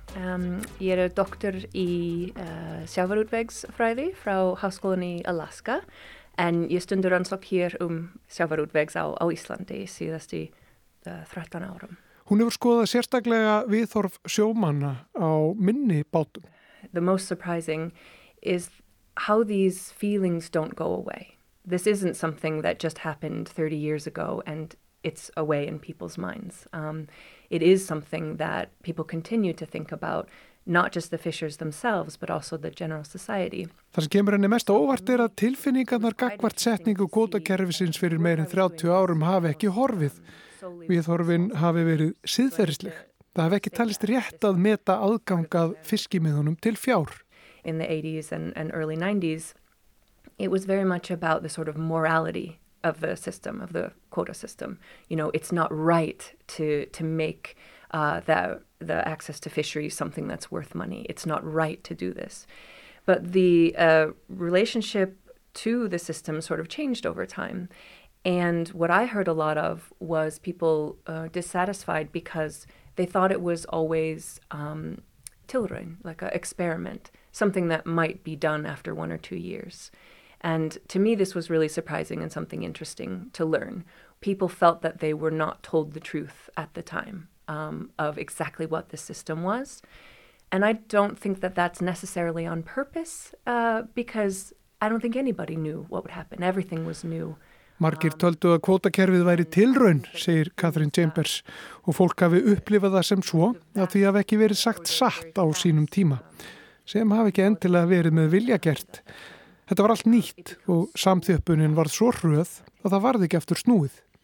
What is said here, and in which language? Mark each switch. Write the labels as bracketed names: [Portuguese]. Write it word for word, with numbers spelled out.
[Icelandic] Um, ég er doktor í uh, sjávarútvegsfræði frá Háskólanum í Alaska, en ég stundur rannsókn hér um sjávarútvegs á, á Íslandi síðasti þrettán árum. Hún hefur skoðað sérstaklega viðhorf sjómanna á minni bátum. [English] The most surprising is how these feelings don't go away. This isn't something that just happened thirty years ago and it's away in people's minds. Um, it is something that people continue to think about, not just the fishers themselves, but also the general society. [Icelandic] Það sem kemur henni mest á óvart er að tilfinningarnar gagnvart setningu kvótakerfisins fyrir meirin þrjátíu árum hafi ekki horfið. Viðhorfin hafi verið siðferðisleg. Það hafi ekki talist rétt að meta aðgangað fiskimiðunum til fjár. [English] In the eighties and, and early nineties, it was very much about the sort of morality of the system, of the quota system. You know, it's not right to, to make uh, the, the access to fisheries something that's worth money. It's not right to do this. But the uh, relationship to the system sort of changed over time. And what I heard a lot of was people uh, dissatisfied because they thought it was always um, tilraun, like an experiment, something that might be done after one or two years. And to me, this was really surprising and something interesting to learn. People felt that they were not told the truth at the time um, of exactly what the system was. And I don't think that that's necessarily on purpose uh, because I don't think anybody knew what would happen. Everything was new. [Icelandic] Margir töldu að kvótakerfið væri tilraun, segir Catherine Chambers, og fólk hafi upplifað það sem svo að því hafi ekki verið sagt satt á sínum tíma, sem hafi ekki endilega verið með vilja gert. Þetta var allt nýtt og samþjöppunin varð svo hröð að það varði ekki aftur snúið.